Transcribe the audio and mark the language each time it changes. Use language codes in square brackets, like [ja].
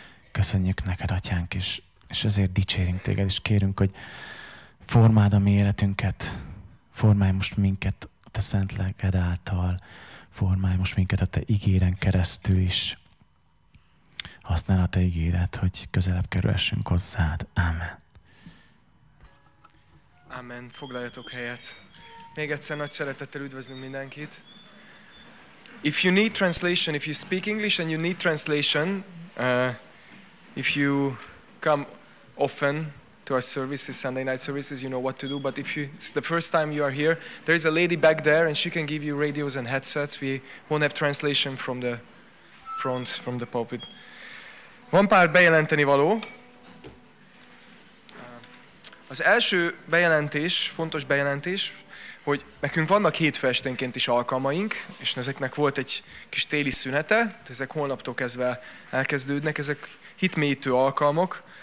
[hu] Köszönjük neked, Atyánk, és ezért dicsérünk téged, és kérünk, hogy formáld a mi életünket, formálj most minket a te szent lelked által, formálj most minket a te ígéren keresztül is. Használ a te ígéret, hogy közelebb kerülhessünk hozzád. Amen. Amen. Foglaljatok helyet. Még egyszer nagy szeretettel üdvözlünk mindenkit. [en] If you need translation, if you speak English and you need translation, if you come often to our services, Sunday night services, you know what to do. But if you, it's the first time you are here, there is a lady back there and she can give you radios and headsets. We won't have translation from the front, from the pulpit. [hu] Van pár bejelenteni való. Az első bejelentés, fontos bejelentés, hogy nekünk vannak hétfő esténként is alkalmaink, és ezeknek volt egy kis téli szünete, ezek holnaptól kezdve elkezdődnek, ezek hitmélyítő alkalmak.